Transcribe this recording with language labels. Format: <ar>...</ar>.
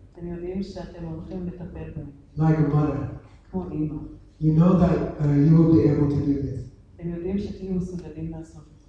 <he>אתם יודעים שאתם הולכים לטפל בהם.</he> <en>Like a mother.</en> <he>כמו אמא.</he> <en>You know that you will be able to do this.</en> <he>אתם יודעים שתהיו מסוגלים לעשות.</he>